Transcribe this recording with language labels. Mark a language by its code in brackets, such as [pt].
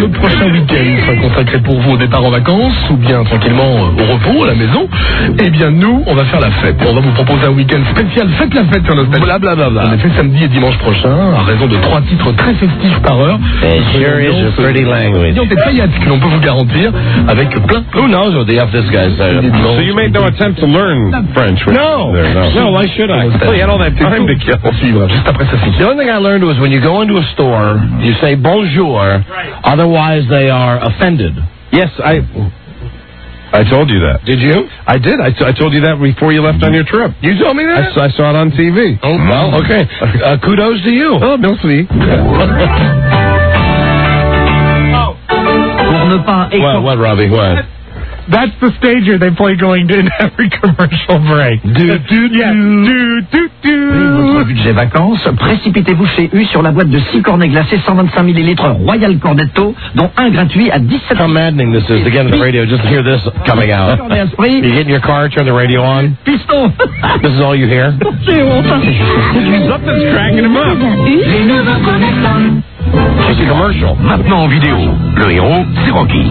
[fr] Le prochain week-end sera consacré pour vous au départ en vacances ou bien tranquillement au repos à la maison. Eh bien, nous, on va faire la fête. On va vous proposer un week-end spécial. Faites la fête sur Nostalgie. Blablabla. On est fait samedi et dimanche prochain à raison de trois titres très festifs par heure. [en] And here is a pretty language. [fr] Il y a des paillettes que l'on peut vous garantir avec plein. [en] Who knows what they have this guy's So you made no attempt to learn French? No. No, why should I? Well, you had all that time to kill. [fr] Juste après ça. [en] The only thing I learned was when you go into a store, you say bonjour, right. Otherwise they are offended. Yes, I told you that. Did you? I did. I told you that before you left on your trip. You told me that? I saw it on TV. Oh, well, okay. Kudos to you. [fr] Oh, merci. [en] What, Robbie, what? That's the stager they play going in every commercial break. Do-do-do. [fr] Budget vacances, précipitez-vous chez U sur la boîte de 6 cornets glacés, 125 millilitres Royal Cornetto, dont un gratuit à 17... [en] How maddening this is to get on the radio, just hear this coming out. You get in your car, turn the radio on. Piston. This is all you hear? Something's cracking him up. It's a commercial. [fr] Maintenant en vidéo, le héros, c'est Rocky.